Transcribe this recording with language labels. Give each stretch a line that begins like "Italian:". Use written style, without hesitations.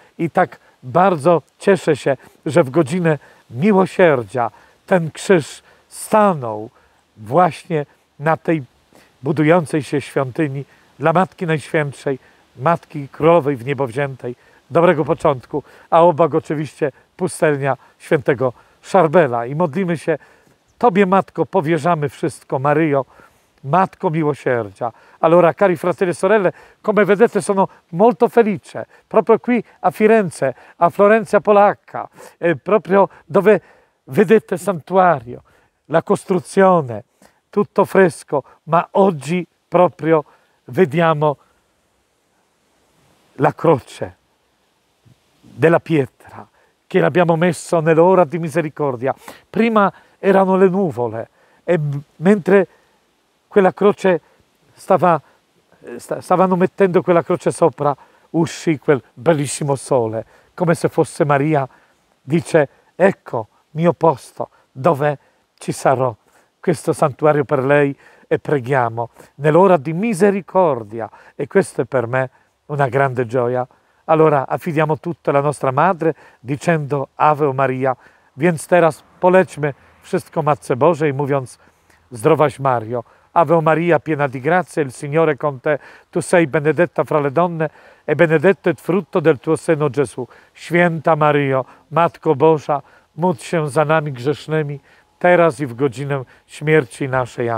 Polish: I tak bardzo cieszę się, że w godzinę miłosierdzia ten krzyż stanął właśnie na tej budującej się świątyni dla Matki Najświętszej, Matki Królowej w niebo wziętej, dobrego początku, a obok oczywiście pustelnia świętego Szarbela. I modlimy się: Tobie, Matko, powierzamy wszystko, Maryjo, Matko Miłosierdzia.
Italian: Allora, cari fratelli sorelle, come vedete sono molto felice, proprio qui a Firenze, a Florencia Polacca, proprio dove vedete santuario, la costruzione, tutto fresco, ma oggi proprio vediamo la croce della pietra che l'abbiamo messo nell'ora di misericordia. Prima erano le nuvole e mentre quella croce stavano mettendo quella croce sopra, uscì quel bellissimo sole, come se fosse Maria, dice: ecco mio posto, dove ci sarò. Questo santuario per lei, e preghiamo nell'ora di misericordia, e questo è per me una grande gioia. Allora affidiamo tutto alla nostra madre, dicendo: Ave Maria.
Polish: Więc teraz polećmy wszystko Matce Bożej, mówiąc: Zdrowaś Mario.
Italian: Ave Maria, piena di grazia, il Signore con te. Tu sei benedetta fra le donne, e benedetto è il frutto del tuo seno, Gesù.
Polish: Święta Mario, Matko Boża, módl się za nami grzesznymi, teraz i w godzinę śmierci naszej.